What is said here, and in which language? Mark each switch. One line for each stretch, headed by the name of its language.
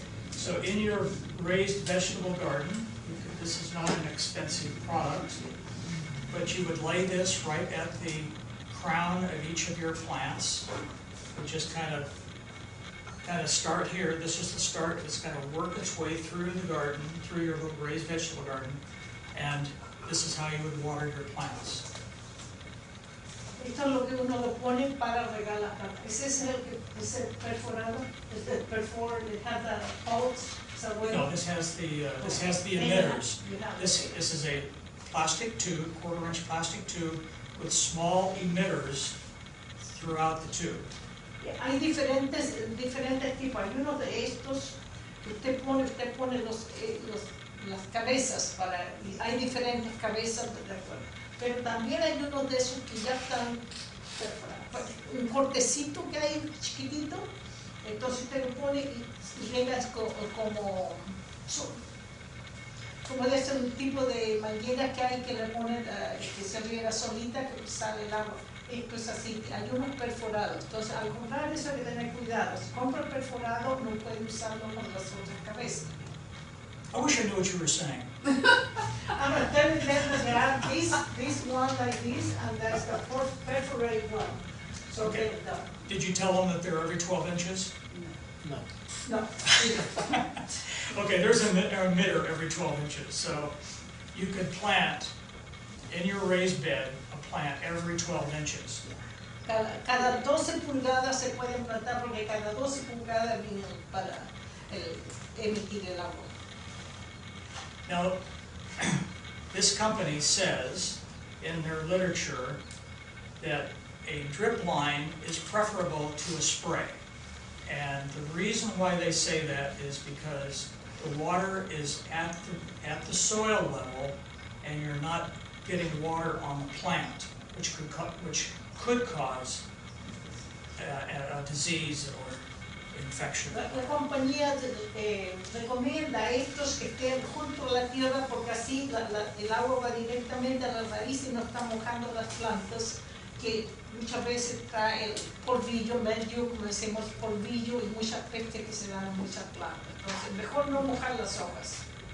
English: So in your raised vegetable garden, this is not an expensive product, but you would lay this right at the crown of each of your plants. You just kind of start here. This is the start. It's going to work its way through the garden, through your little raised vegetable garden, and this is how you would water your plants.
Spanish: Esto es lo que uno lo pone para regar las plantas. Ese es el que es el perforado. Es el perforado.
English: It has the holes. No, this has the emitters. This is a plastic tube, quarter inch plastic tube, with small emitters throughout the tube.
Spanish: Yeah, hay diferentes tipos. Hay uno de estos que usted pone las cabezas para. Hay diferentes cabezas de perforado. Pero también hay uno de esos que ya están perforados. Un cortecito que hay chiquitito. Entonces usted lo pone y llegas como de ese tipo de manguera que hay que le pone que se riega solita, que sale el agua. Esto es así, hay unos perforados. Entonces al comprar eso hay que tener cuidado. Si compra perforado, no puede usarlo con las otras cabezas.
English: I wish I knew what you were saying. I'm going to tell you that we have this one like this, and that's the fourth perforated one. So okay. Did you tell them that they're every 12 inches? No. Okay, there's an emitter every 12 inches. So you can plant in your raised bed a plant every 12 inches.
Spanish: Cada 12 pulgadas se pueden plantar porque cada 12 pulgadas viene para emitir el agua.
English: Now, this company says in their literature that a drip line is preferable to a spray. And the reason why they say that is because the water is at the soil level and you're not getting water on the plant, which could cause a disease or infection.
Spanish: La compañía recomienda estos que estén junto a la tierra porque así el agua va directamente a la raíz y no está mojando las plantas que muchas veces trae el polvillo, medio, como decimos polvillo y muchas pestes que se dan en muchas plantas. Entonces, mejor no mojar las hojas.